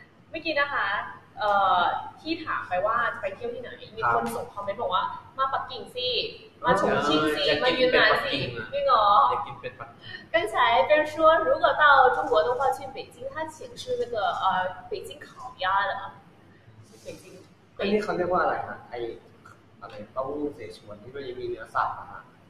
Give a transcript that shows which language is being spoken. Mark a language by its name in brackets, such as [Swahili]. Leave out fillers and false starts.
[Thai] เมื่อกี้นะคะที่ถามไปว่าจะไปเที่ยวที่ไหนมีคนส่งคอมเมนต์บอกว่ามาปักกิ่งสิมา重庆สิมายูนนานสิพี่หนอ จะกินเป็ดปักกิ่ [Chinese] ง刚才别人说如果到中国的话去北京他请吃那个北京烤鸭的北京 [Thai] นี่เขาเรียกว่าอะไรนะไอ้อะไรเต้าหู้เสฉวนที่มันยังมีเนื้อสับนะฮะ